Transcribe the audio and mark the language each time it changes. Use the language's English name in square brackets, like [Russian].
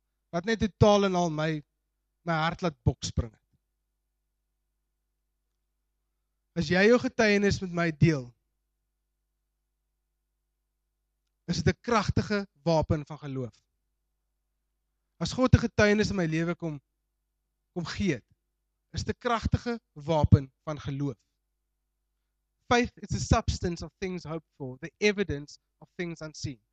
[Afrikaans] Wat net totaal en al my hart laat bok spring. As jy jou getuienis met my deel, is dit 'n kragtige wapen van geloof. As God 'n getuienis in my lewe kom gee, is dit 'n kragtige wapen van geloof. [English] Faith is the substance of things hoped for, the evidence of things unseen.